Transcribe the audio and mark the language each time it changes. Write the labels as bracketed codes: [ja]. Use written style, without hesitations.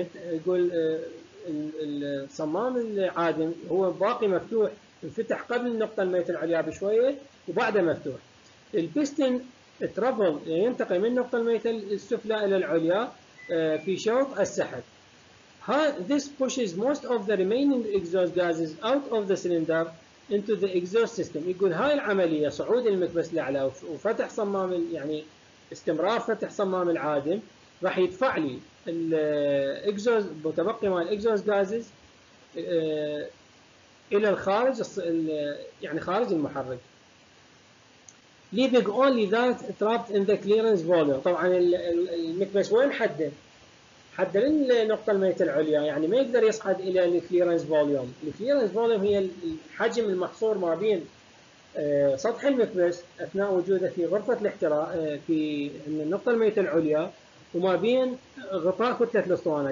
[ar] يقول الصمام العادم هو باقي مفتوح، انفتح قبل النقطة الميتة العليا بشوية وبعدها مفتوح. البيستن ترافل ينتقل من النقطة الميتة السفلى إلى العليا في شوط السحب. [en] This pushes most of the remaining exhaust gases out of the cylinder into the exhaust system. [ar] يقول هاي العمليه صعود المكبس لاعلى وفتح صمام، يعني استمرار فتح صمام العادم راح يدفع لي الاكزوز متبقي مال الاكزوز جازز الى الخارج، يعني خارج المحرك. [en] Leaving only that trapped in the clearance volume. [ar] طبعا المكبس وين حده؟ حد للنقطة الميتة العليا، يعني ما يقدر يصعد إلى الكليرنس فوليوم. الكليرنس فوليوم هي الحجم المحصور ما بين سطح المكبس أثناء وجوده في غرفة الاحتراق في النقطة الميتة العليا وما بين غطاء كتلة الأسطوانة.